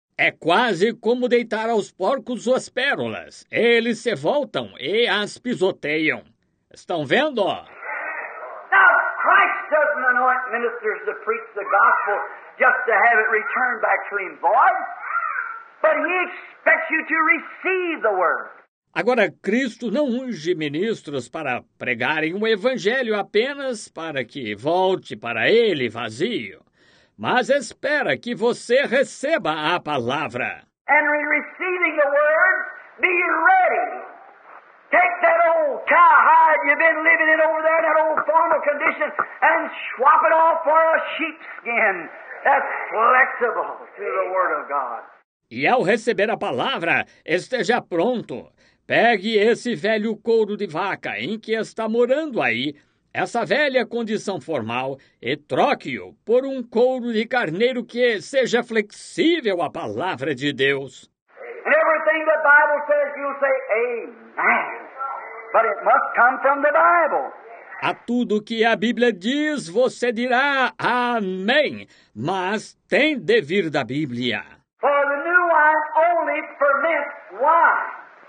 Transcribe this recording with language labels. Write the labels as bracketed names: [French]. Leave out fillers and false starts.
[Portuguese] É quase como deitar aos porcos as pérolas. Eles se voltam e as pisoteiam. Estão vendo? [English] Now, Christ doesn't anoint ministers to preach the gospel just to have it returned back to him void. But he expects you to receive the word. [Portuguese] Agora, Cristo não unge ministros para pregarem o evangelho apenas para que volte para ele vazio, mas espera que você receba a palavra. [English] And receiving the word, be ready. Take that old cowhide you've been living in over there, that old formal condition, and swap it off for a sheepskin that's flexible to the word of God. [Portuguese] E ao receber a palavra, esteja pronto. Pegue esse velho couro de vaca em que está morando aí, essa velha condição formal, e troque-o por um couro de carneiro que seja flexível à palavra de Deus. [English] And everything the Bible says, you'll say, Amen. But it must come from the Bible. [Portuguese] A tudo que a Bíblia diz, você dirá, Amém. Mas tem de vir da Bíblia. [English] For the new wine only ferments wine.